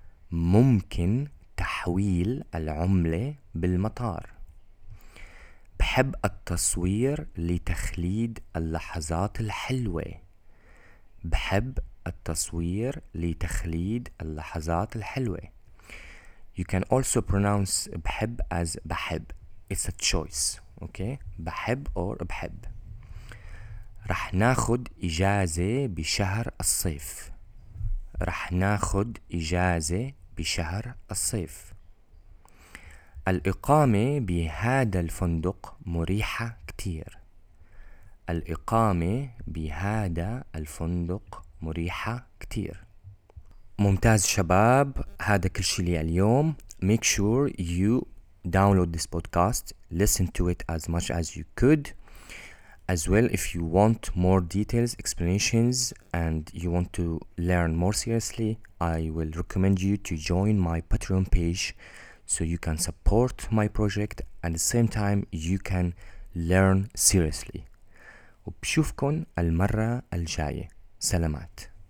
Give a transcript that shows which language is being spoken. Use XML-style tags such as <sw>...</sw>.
<ar>ممكن تحويل العملة بالمطار. بحب التصوير لتخليد اللحظات الحلوة. بحب التصوير لتخليد اللحظات الحلوة.</ar> <en>You can also pronounce بحب as بحب. It's a choice. Okay?</en> <ar>بحب or بحب. رح ناخد إجازة بشهر الصيف. رح ناخد إجازة بشهر الصيف. الإقامة بهذا الفندق مريحة كتير. الإقامة بهذا الفندق مريحة كتير. ممتاز شباب، هذا كل شيء لي اليوم.</ar> <en>Make sure you download this podcast. Listen to it as much as you could. As well, if you want more details, explanations, and you want to learn more seriously, I will recommend you to join my Patreon page so you can support my project and at the same time you can learn seriously.</en> <ar>وبشوفكن المرة الجاية. سلامات.</ar>